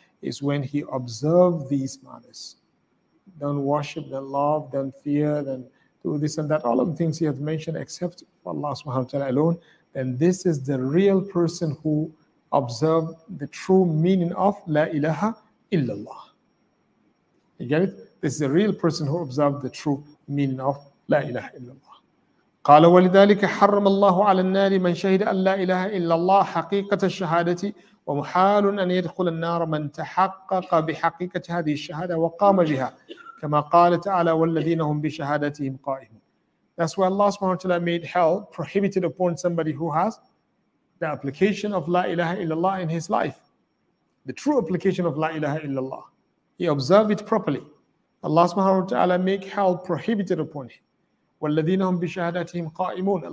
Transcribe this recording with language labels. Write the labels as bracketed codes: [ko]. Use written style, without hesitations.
[en] Is when he observed these matters. Don't worship, don't love, don't fear, don't do this and that. All of the things he has mentioned except Allah subhanahu wa ta'ala alone. Then this is the real person who observed the true meaning of la ilaha illallah. You get it? This is a real person who observed the true meaning of La ilaha illallah. [ar] قال ولذلك حرم الله على النار من شهد أن لا إله إلا الله حقيقة الشهادة ومحال أن يدخل النار من تحقق بحقيقة هذه الشهادة وقام بها كما قال تعالى والذين هم بشهادتهم قائمون. [en] That's why Allah subhanahu wa ta'ala made hell prohibited upon somebody who has the application of La ilaha illallah in his life. The true application of La ilaha illallah. He observed it properly. Allah subhanahu wa ta'ala make hell prohibited upon him. [ar] وَالَّذِينَ هُمْ بِشَهَدَاتِهِمْ قَائِمُونَ.